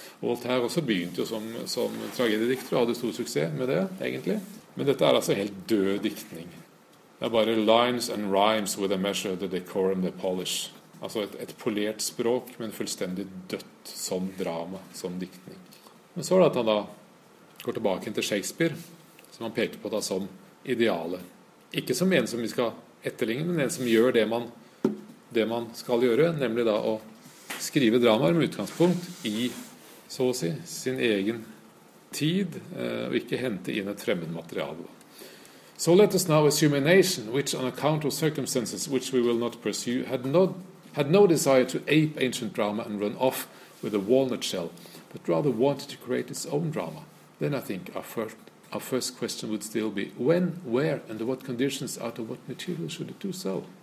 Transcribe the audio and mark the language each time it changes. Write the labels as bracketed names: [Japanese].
[Norwegian] Og Voltaire også begynte jo som tragediedikter og hadde stor suksess med det, egentlig. Men dette altså helt død diktning. Det bare [English] lines and rhymes with a measure of the decorum they polish. [Norwegian] Altså et polert språk, men fullstendig dødt som drama, som diktning. Men så det at han da går tilbake til Shakespeare, som han peker på da som ideale. Ikke som en som vi skal etterligne, men en som gjør det man skal gjøre, nemlig da å skrive dramaer med utgangspunkt i, så å si, sin egen tid, og ikke hente inn et fremmed materiale. [English] So let us now assume a nation which, on account of circumstances which we will not pursue, had no desire to ape ancient drama and run off with a walnut shell, but rather wanted to create its own drama. Then I think our first question would still be, when, where, under what conditions, out of what material should it do so?